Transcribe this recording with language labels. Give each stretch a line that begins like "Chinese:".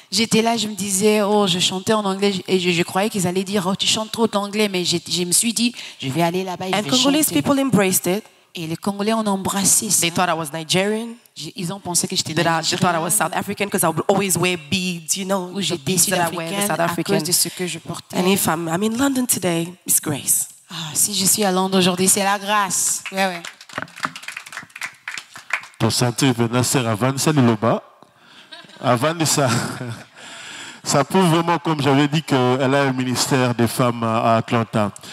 French: J'étais là, je me disais, oh, je chantais en anglais, et je croyais qu'ils allaient dire, oh, tu chantes trop d'anglais, mais je me suis dit, je vais aller là-bas, je vais chanter.
English: And Congolese people embraced it.
French: Et les Congolais ont embrassé ça.
English: They thought I was Nigerian.
French: Ils ont pensé que j'étais Nigerian.
English: They thought I was South African because I would always wear beads, you know.
French: Ou j'étais Sud-Africaine à cause de ce que je portais.
English: And if I'm in London today, it's grace.
French: Ah, si je suis à Londres aujourd'hui, c'est la grâce. Ouais, ouais. Ton centre est à sœur Avanissa Liloba. Avanissa, ça prouve vraiment, comme j'avais dit, qu'elle a un ministère des femmes à Atlanta.